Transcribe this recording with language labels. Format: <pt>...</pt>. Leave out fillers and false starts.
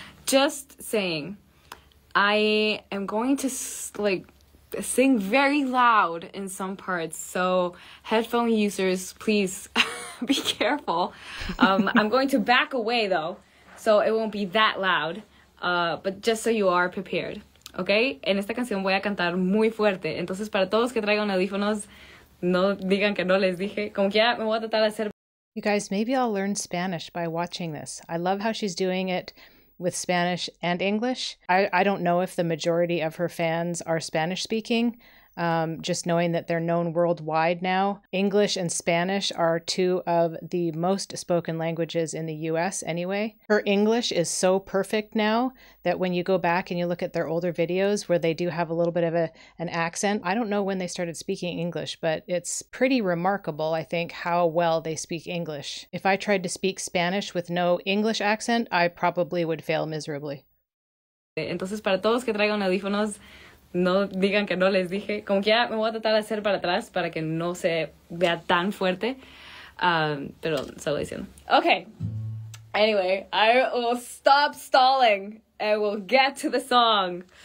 <en>Just saying, I am going to sing very loud in some parts, so headphone users, please be careful. I'm going to back away though, so it won't be that loud, but just so you are prepared, okay?</en> <es>En esta canción voy a cantar muy fuerte, entonces para todos que traigan audífonos, no digan que no les dije. Como quiera, me voy a tratar de hacer.</es> <en>You guys, maybe I'll learn Spanish by watching this. I love how she's doing it with Spanish and English. I don't know if the majority of her fans are Spanish speaking. Just knowing that they're known worldwide now, English and Spanish are two of the most spoken languages in the US anyway. Her English is so perfect now that when you go back and you look at their older videos where they do have a little bit of an accent, I don't know when they started speaking English, but it's pretty remarkable, I think, how well they speak English. If I tried to speak Spanish with no English accent, I probably would fail miserably.</en> <es>Entonces, para todos que traigan audífonos, no digan que no les dije. Como que ya me voy a tratar de hacer para atrás para que no se vea tan fuerte. Pero solo diciendo. Okay.</es> <en>Anyway, I will stop stalling and we'll get to the song.</en>